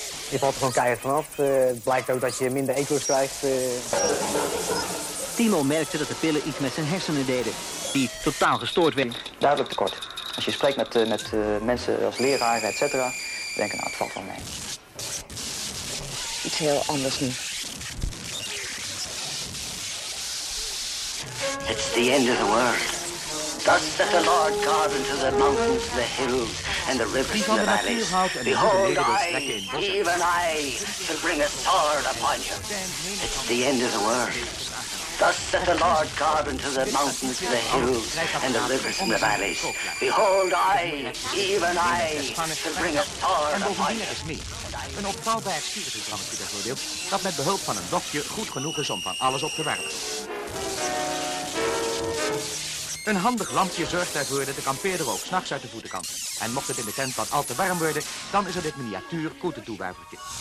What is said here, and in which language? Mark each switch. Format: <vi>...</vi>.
<nl>Je valt er gewoon keihard vanaf. Het blijkt ook dat je minder eetlust krijgt. Timo merkte dat de pillen iets met zijn hersenen deden. Die totaal gestoord werden. Duidelijk tekort. Als je spreekt met mensen als leraren, et cetera, denken, nou, het valt wel mee. Iets heel anders nu.</nl> <en>It's the end of the world. Thus set the Lord God into the mountains, the hills, and the rivers and the valleys. Behold, I shall bring a sword upon you. It's the end of the world. Thus saith the Lord God unto the mountains, the hills, and the rivers and the valleys. Behold, I, even I, shall bring a sword upon you.</en> <nl>Een opvouwbaar spiritusdrankje bijvoorbeeld, dat met behulp van een dokje goed genoeg is om van alles op te warmen. Een handig lampje zorgt ervoor dat de kampeerder ook 's nachts uit de voeten kan. En mocht het in de tent wat al te warm worden, dan is er dit miniatuur koetentoewuivertje.</nl>